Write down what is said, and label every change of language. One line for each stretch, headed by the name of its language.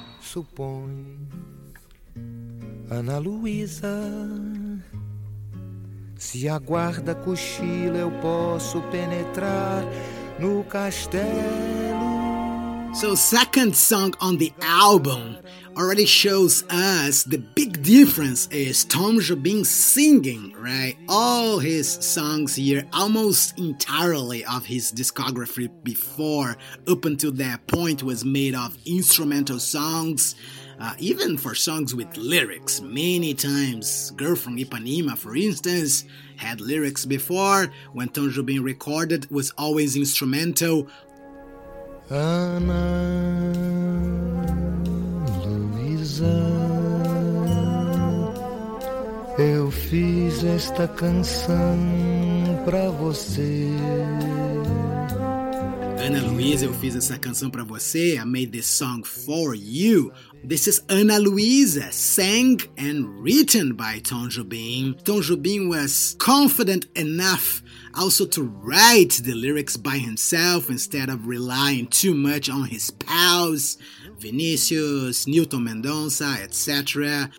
Portuguese: Supõe Ana Luísa, se a guarda cochila, eu posso penetrar no castelo.
English: So second song on the album already shows us the big difference is Tom Jobim singing, right? All his songs here, almost entirely of his discography before, up until that point, was made of instrumental songs, even for songs with lyrics. Many times, Girl from Ipanema, for instance, had lyrics before. When Tom Jobim recorded, was always instrumental.
Portuguese: Ana Luísa, eu fiz esta canção pra você. Ana Luísa, eu fiz essa canção pra você.
English: I made this song for you. This is Ana Luísa, sang and written by Tom Jobim. Tom Jobim was confident enough also to write the lyrics by himself instead of relying too much on his pals, Vinicius, Newton Mendonça, etc.